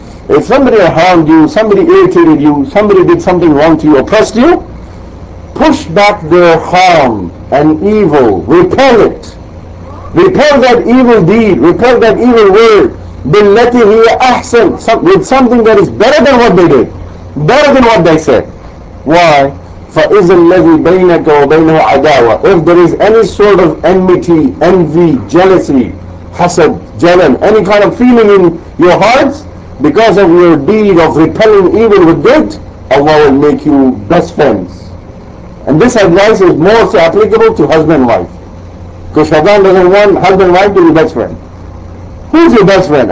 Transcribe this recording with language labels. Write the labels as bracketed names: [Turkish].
[English] If somebody harmed you, somebody irritated you, somebody did something wrong to you, oppressed you, push back their harm and evil, repel it. Repel that evil deed, repel that evil word. [Arabic] بِالَّتِي هِيَ أَحْسَنْ, [English] with something that is better than what they did, better than what they said. Why? [Arabic] فإذا الذي بينك وبينه عداوة. [English] If there is any sort of enmity, envy, jealousy, حسد, جلن, any kind of feeling in your hearts because of your deed of repelling evil with good, Allah will make you best friends. And this advice is most applicable to husband and wife. Because Shaitan doesn't want husband and wife to be best friend. Who's your best friend?